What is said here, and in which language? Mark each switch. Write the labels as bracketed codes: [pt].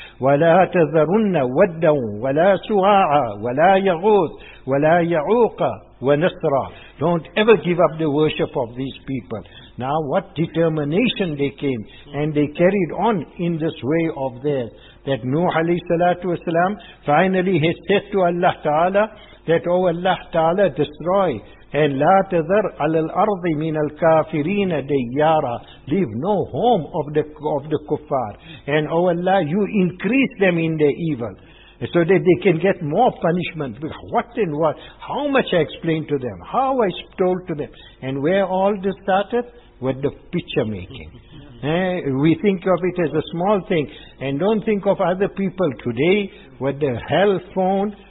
[ar] وَلَا تَذَرُنَّ وَدَّوْا وَلَا سُوَاعَ وَلَا يَغُوثَ وَلَا يَعُوقَ وَنَسْرَ. [en] Don't ever give up the worship of these people. Now what determination they came, and they carried on in this way of theirs. That Nuh alayhi salatu wasalam finally he said to Allah Ta'ala, that O Allah Ta'ala, destroy. [ar] And لا تذر على الأرض من الكافرين ديارا. [en] Leave no home of the kuffar. And O Allah, you increase them in their evil, so that they can get more punishment. What and what? How much I explained to them? How I told to them? And where all this started? With the picture making. We think of it as a small thing, and don't think of other people today with the hell phone.